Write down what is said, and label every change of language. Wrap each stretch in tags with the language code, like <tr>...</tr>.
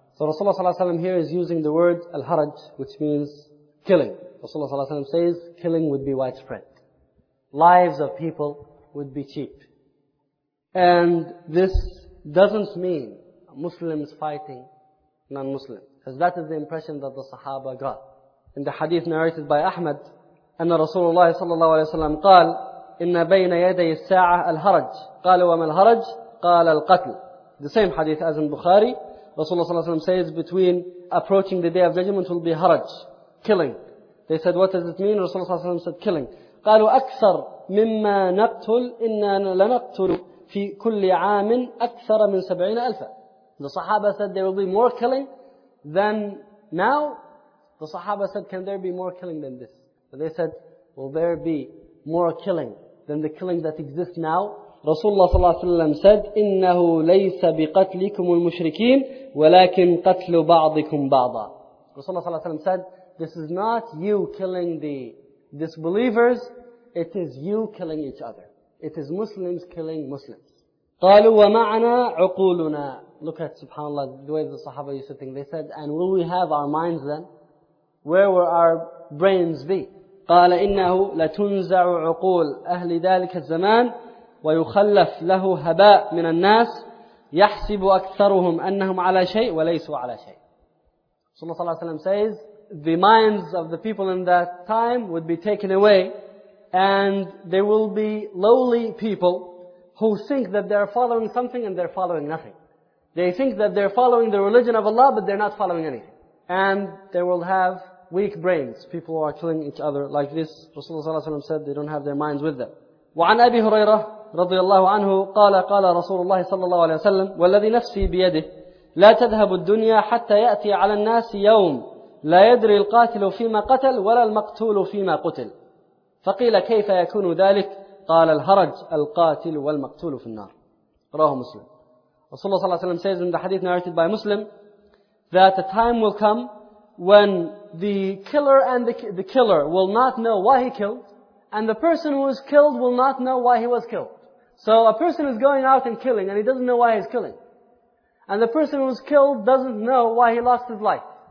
<en>So Rasulullah sallallahu alayhi wa sallam here is using the word al-haraj, which means killing. Rasulullah sallallahu alayhi wa sallam says, killing would be widespread. Lives of people would be cheap. And this doesn't mean Muslims fighting non-Muslims. Because that is the impression that the Sahaba got. In the hadith narrated by Ahmad,</en> <ar>أن رسول الله صلى الله عليه وسلم قال إن بين يدي الساعة الهرج قال وما الهرج؟ قال القتل.</ar> <en>The same hadith as in Bukhari. Rasulullah صلى الله عليه وسلم says between approaching the day of judgment will be haraj, killing. They said, what does it mean? Rasulullah صلى الله عليه وسلم said, killing.</en> <ar>قالوا أكثر مما نقتل إن لنقتل في كل عام أكثر من 70,000.</ar> <en>The Sahaba said there will be more killing than now. The Sahaba said, can there be more killing than this? But they said, will there be more killing than the killing that exists now? Rasulullah sallallahu alayhi wa sallam said,</en> <ar>إِنَّهُ لَيْسَ بِقَتْلِكُمُ الْمُشْرِكِينَ وَلَكِنْ قَتْلُ بَعْضِكُمْ بَعْضًا.</ar> <en>Rasulullah sallallahu alayhi wa sallam said, this is not you killing the disbelievers, it is you killing each other. It is Muslims killing Muslims.</en> <ar>قَالُوا وَمَعْنَا عُقُولُنَا.</ar> <en>Look at subhanAllah, the way the Sahaba used to think. They said, and will we have our minds then? Where were our brains be?</en> <ar>قال إنه لتنزع عقول أهل ذلك الزمان ويخلف له هباء من الناس يحسب أكثرهم أنهم على شيء وليسوا على شيء.</ar> <en>صلى الله عليه وسلم says, the minds of the people in that time would be taken away, and there will be lowly people who think that they are following something and they are following nothing. They think that they are following the religion of Allah, but they are not following anything. And they will have weak brains, people who are killing each other like this. Rasulullah ﷺ said they don't have their minds with them.</en> <ar>وعن أبي هريرة رضي الله عنه قال قال رسول الله صلى الله عليه وسلم والذي نفسي بيده لا تذهب الدنيا حتى يأتي على الناس يوم لا يدري القاتل فيما قتل ولا المقتول فيما قتل. فقيل كيف يكون ذلك؟ قال الهرج القاتل والمقتول في النار. رواه مسلم.</ar> <en>Rasulullah ﷺ says in the hadith narrated by Muslim that a time will come when the killer and the killer will not know why he killed, and the person who was killed will not know why he was killed. So a person is going out and killing and he doesn't know why he's killing. And the person who was killed doesn't know why he lost his life.</en>